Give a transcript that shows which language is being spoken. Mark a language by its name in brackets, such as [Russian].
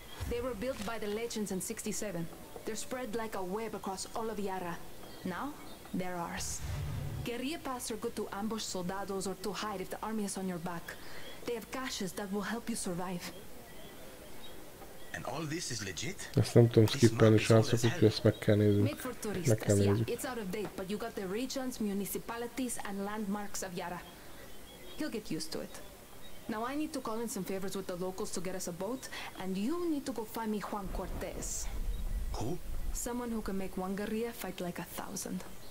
[English] They were built by the legends in 67. They're spread like a web across all of Yara. Now, they're ours. Guerrilla paths are good to ambush soldados or to hide if the army is on your back. They have caches that will help you survive. And all this is legit? [Hungarian] Ezt nem tudom skippelni, srácok, úgyhogy ezt meg kell nézzük. Meg kell nézzük. [English] It's out of date, but you got the regions, municipalities and landmarks of Yara. He'll get used to it. Now I need to call in some favors with the locals to get us a boat, and you need to go find me Juan Cortez. Who? Someone who can make one guerrilla fight like a thousand.